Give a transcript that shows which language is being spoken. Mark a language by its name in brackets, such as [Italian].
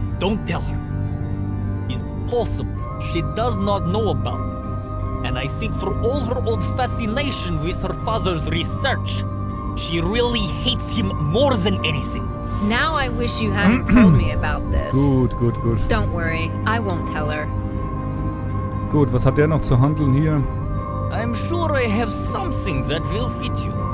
[English] Don't tell her. It's possible she does not know about it. And I think for all her old fascination with her father's research, she really hates him more than anything. Now I wish you hadn't told me about this. [German] Gut, gut, gut. [English] Don't worry, I won't tell her. [German] Gut, was hat der noch zu handeln hier? [English] I'm sure I have something that will fit you.